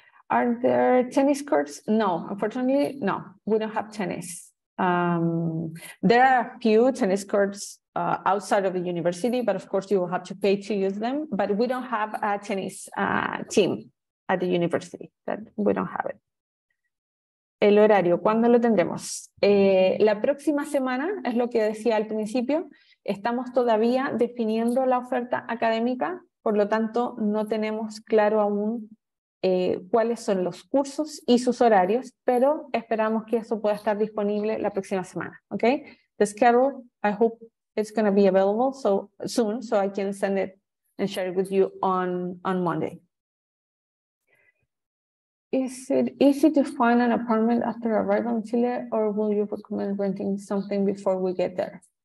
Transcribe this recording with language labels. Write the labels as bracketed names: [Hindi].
[English] Are there tennis courts? No, unfortunately, no, we don't have tennis. There are a few tennis courts outside of the university, but of course you will have to pay to use them, but we don't have a tennis team at the university, that we don't have it. [Spanish] El horario, ¿cuándo lo tendremos? La próxima semana, es lo que decía al principio, estamos todavía definiendo la oferta académica, por lo tanto no tenemos claro aún cuáles son los cursos y sus horarios, pero esperamos que eso pueda estar disponible la próxima semana. [English] Okay, the schedule, I hope it's going to be available so soon, so I can send it and share it with you on Monday. Is it easy to find an apartment after arrival in Chile, or will you recommend renting something before we get there?